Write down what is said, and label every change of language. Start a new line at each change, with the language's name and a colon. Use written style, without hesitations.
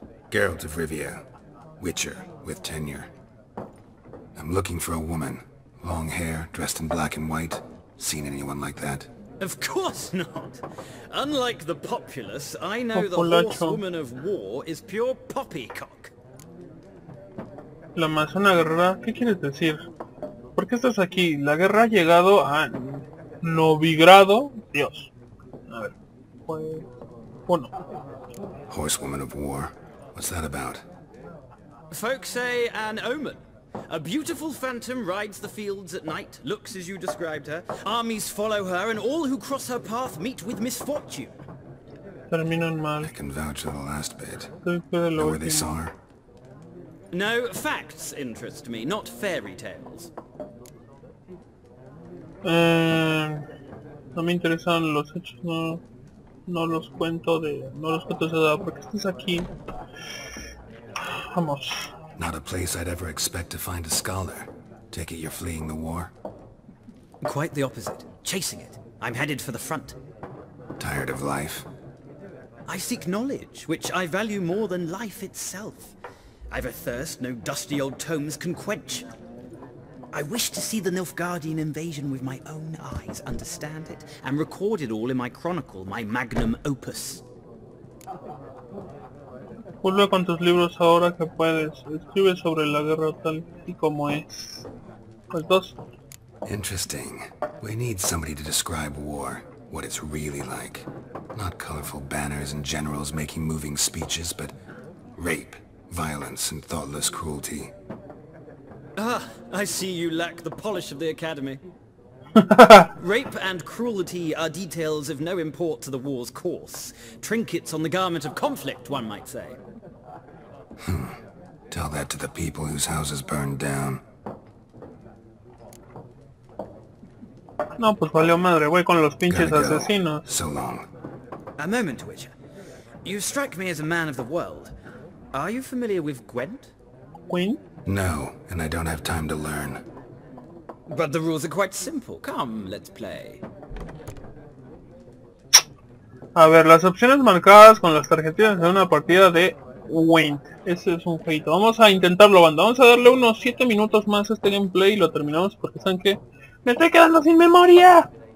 English: Geralt of Rivia. Witcher, with tenure. I'm looking for a woman. Long hair, dressed in black and white. Seen anyone like that? Of course not. Unlike the populace, I know Populacho. The horsewoman of war is pure poppycock.
Spanish: La Amazona guerrera, ¿qué quieres decir? ¿Por qué estás aquí? La guerra ha llegado a Novigrado. Dios. A ver. Pues... 1.
English: Horsewoman of War? What's that about? Folks say an omen. A beautiful phantom rides the fields at night, looks as you described her. Armies follow her, and all who cross her path meet with misfortune.
Spanish: Terminan mal.
English: I can vouch for the last bit. Know where they saw her? No, facts interest me, not fairy tales.
Spanish: No me interesan los hechos, no los cuento de edad, porque estás aquí. Vamos.
English: Not a place I'd ever expect to find a scholar. Take it you're fleeing the war? Quite the opposite. Chasing it. I'm headed for the front. Tired of life? I seek knowledge, which I value more than life itself. I've a thirst no dusty old tomes can quench. I wish to see the Nilfgaardian invasion with my own eyes, understand it, and record it all in my chronicle, my magnum opus.
Spanish: Vuelve con tus libros ahora que puedes. Escribe sobre la guerra tal y como es. Pues dos.
English: Interesting. We need somebody to describe war, what it's really like. Not colorful banners and generals making moving speeches, but rape, violence, and thoughtless cruelty. Ah, I see you lack the polish of the academy. Rape and cruelty are details of no import to the war's course. Trinkets on the garment of conflict, one might say. Tell that to the people whose houses burned down.
Spanish: No, pues valió madre. Voy con los pinches asesinos.
English: So long. A moment, Witcher. You strike me as a man of the world. Are you familiar with Gwent? Queen? No, and I don't have time to learn. But the rules are quite simple. Come, let's play.
Spanish: A ver, las opciones marcadas con las tarjetitas en una partida de Gwent. Ese es un jueguito. Vamos a intentarlo, banda. Vamos a darle unos 7 minutos más a este gameplay y lo terminamos porque saben que... ¡Me estoy quedando sin memoria!